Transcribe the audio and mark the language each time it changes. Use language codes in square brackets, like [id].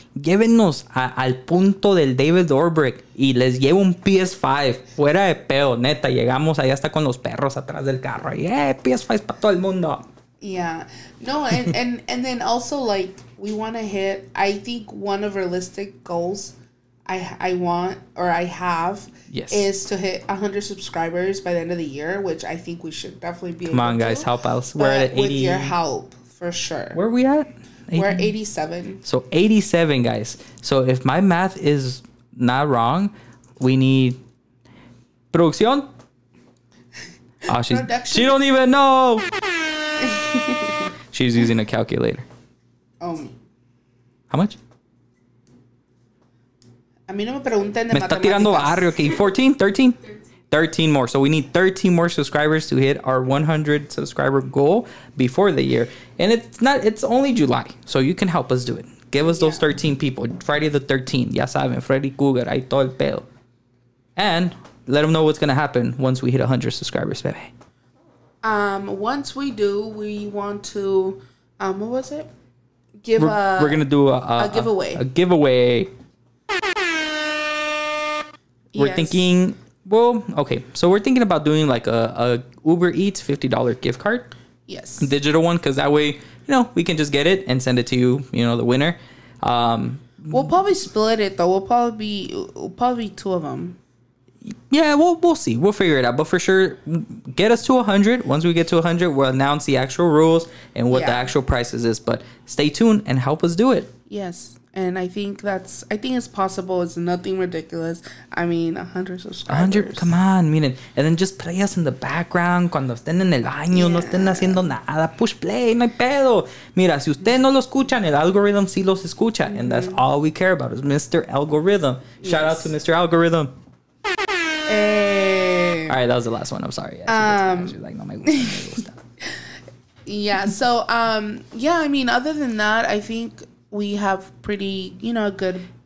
[es] Llévenos al punto del David Dobrik y les llevo un PS5. Fuera de pedo, neta. Llegamos allá hasta con los perros atrás del carro. Yeah, PS5 es para todo el mundo. [en] Yeah. No, and then also, like, we want to hit, I think one of realistic goals I want, or I have, is to hit 100 subscribers by the end of the year, which I think we should definitely be able to. Come on, guys, help us. We're at 80. With your help, for sure. Where are we at? 80. We're 87. So 87, guys. So if my math is not wrong, we need producción. Oh, she's, production. She don't even know. She's using a calculator. How much? [es] A mí no me pregunten de me está tirando barrio. [en] Okay, 14, 13? 13 more. So we need 13 more subscribers to hit our 100 subscriber goal before the year. And it's not, it's only July. So you can help us do it. Give us those 13 people. Friday the 13th. [es] Ya saben, Freddy Cougar, ahí todo el pelo. [en] And let them know what's going to happen once we hit 100 subscribers, baby. Once we do, we want to, what was it? We're going to do a giveaway. A giveaway. We're thinking, well, okay. So we're thinking about doing like a Uber Eats $50 gift card. Yes. Digital one, because that way, you know, we can just get it and send it to you, you know, the winner. We'll probably split it, though. We'll probably be two of them. Yeah, we'll see. We'll figure it out. But for sure, get us to 100. Once we get to 100, we'll announce the actual rules and what the actual prices is. But stay tuned and help us do it. Yes. And I think it's possible. It's nothing ridiculous. I mean, 100 subscribers. 100, come on, [es] miren. [en] And then just play us in the background. [es] Cuando estén en el baño, no estén haciendo nada. [en] Push play, [es] no hay pedo. Mira, si usted no lo escucha, el algorithm sí los escucha. Mm-hmm. [en] And that's all we care about is Mr. Algorithm. Shout out to Mr. Algorithm. Hey. All right, that was the last one. I'm sorry. She's like, no, [es] my gusta, my gusta. [en] Yeah, so, I mean, other than that, I think we have pretty, you know, good.